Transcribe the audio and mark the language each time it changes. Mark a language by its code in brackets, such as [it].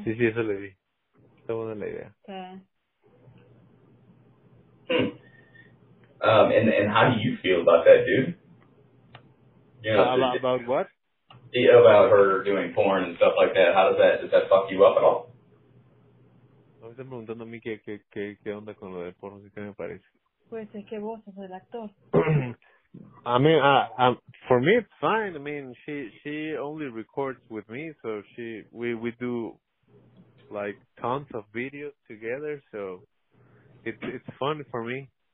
[es] Sí, eso le vi. Está buena la idea. Sí. [en] And how do you feel about that, dude? You know, about what? About her doing porn and stuff like that. How does that fuck you up at all? [es] No, me están preguntando a mí qué onda con lo de porno, qué me parece. Pues es que vos sos el actor. [en] I mean, for me it's fine. I mean, she only records with me, so we do like tons of videos together, so it's fun for me.